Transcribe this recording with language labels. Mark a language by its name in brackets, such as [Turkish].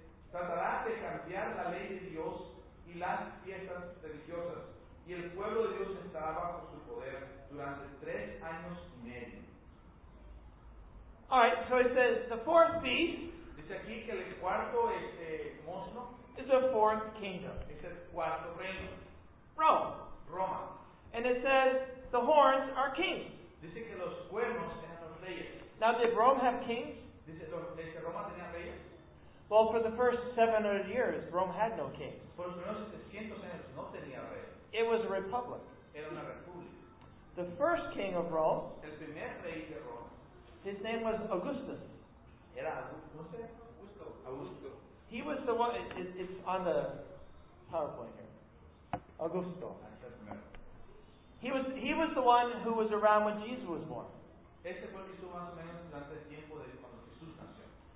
[Spanish] Tratará de cambiar la ley de Dios y las fiestas religiosas. Y el pueblo de Dios estará bajo su poder durante 3 años y medio. [English] All right, so it says the fourth beast. [Spanish] Dice aquí que el cuarto monstruo [English] is a fourth kingdom. [Spanish] Es el cuarto reino. [English] Rome. [Spanish] Roma. [English] And it says the horns are kings. [Spanish] Dice que los cuernos eran los reyes. [English] Now, did Rome have kings? [Spanish] Dice Roma tenía reyes. [English] Well, for the first 700 years, Rome had no kings. [Spanish] Por los primeros 700 años no tenía reyes. [English] It was a republic. [Spanish] Era una república. [English] The first king of Rome, [Spanish] el primer rey de Rome, [English] his name was Augustus. [Spanish] Era Augusto. Augusto. [English] He was the one, it's on the PowerPoint here. Augusto. He was the one who was around when Jesus was born. [Spanish] Este fue el que estuvo más o menos durante el tiempo de cuando Jesús nació.